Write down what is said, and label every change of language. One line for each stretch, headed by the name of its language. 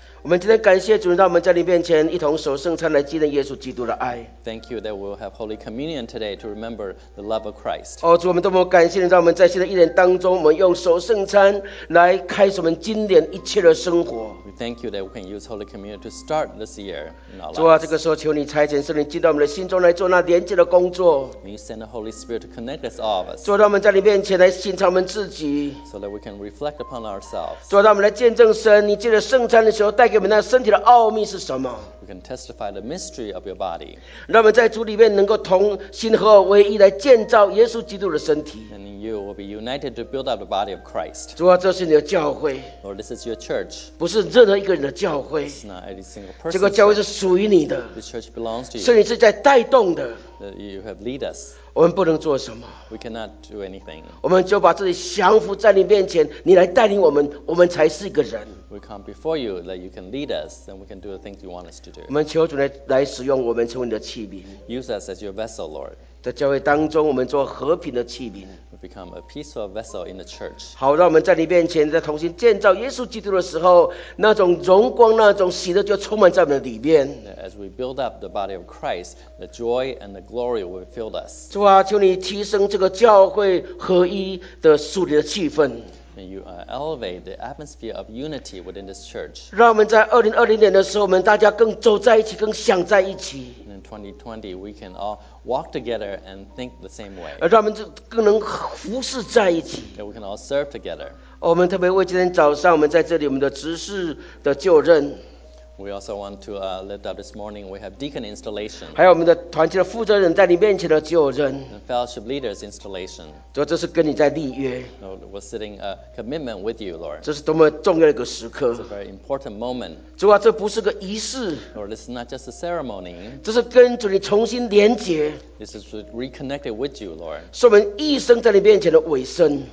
Chinese: 我们今天感谢主，让我们在你面前一同守圣餐，来纪念耶稣基督的爱。
English: Thank you that we'll have Holy Communion today to remember the love of Christ.
Chinese: 哦，主，我们多么感谢你，让我们在新的一年当中，我们用守圣餐来开始我们今年一切的生活。
English: We thank you that we can use Holy Communion to start this year.
Chinese: 主啊，这个时候求你差遣圣灵进到我们的心中来做那连接的工作。
English: May you send the Holy Spirit to connect us all of us.
Chinese: 主，让我们在你面前来审查我们自己。
English: So that we can reflect upon ourselves.
Chinese: 主，让我们来见证神，你借着圣餐的时候带给我们那身体的奥秘是什么？
English: We can testify the mystery of your body.
Chinese: 让我们在主里面能够同心合而为一，来建造耶稣基督的身体。
English: And you will be united to build up the body of Christ.
Chinese: 主啊，这是你的教会。
English: Lord, this is your church.
Chinese: 不是任何一个人的教会。
English: It's not any single person.
Chinese: 这个教会是属于你的。
English: This church belongs to you.
Chinese: 是你是在带动的。
English: That you have led us.
Chinese: 我们不能做什么。
English: We cannot do anything.
Chinese: 我们就把自己降服在你面前，你来带领我们，我们才是一个人。
English: We come before you that you can lead us and we can do the things you want us to do.
Chinese: 我们求主来使用我们成为你的器皿。
English: Use us as your vessel, Lord.
Chinese: 在教会当中我们做和平的器皿。
English: We become a peaceful vessel in the church.
Chinese: 好，让我们在你面前在同心建造耶稣基督的时候，那种荣光，那种喜乐就充满在我们的里面。
English: As we build up the body of Christ, the joy and the glory will fill us.
Chinese: 主啊，求你提升这个教会合一的属灵的气氛。
English: And you elevate the atmosphere of unity within this church.
Chinese: 让我们在2020年的时候，我们大家更走在一起，更想在一起。
English: And in 2020, we can all walk together and think the same way.
Chinese: 让我们更能服侍在一起。
English: And we can all serve together.
Chinese: 我们特别为今天早上我们在这里我们的执事的就任。
English: We also want to lift up this morning. We have deacon installation.
Chinese: 还有我们的团契的负责人在你面前的就任。
English: And fellowship leaders installation.
Chinese: 主，这是跟你在立约。
English: Lord, we're setting a commitment with you, Lord.
Chinese: 这是多么重要的一个时刻。
English: It's a very important moment.
Chinese: 主啊，这不是个仪式。
English: Lord, this is not just a ceremony.
Chinese: 这是跟主你重新连接。
English: This is reconnected with you, Lord.
Chinese: 是我们一生在你面前的尾声。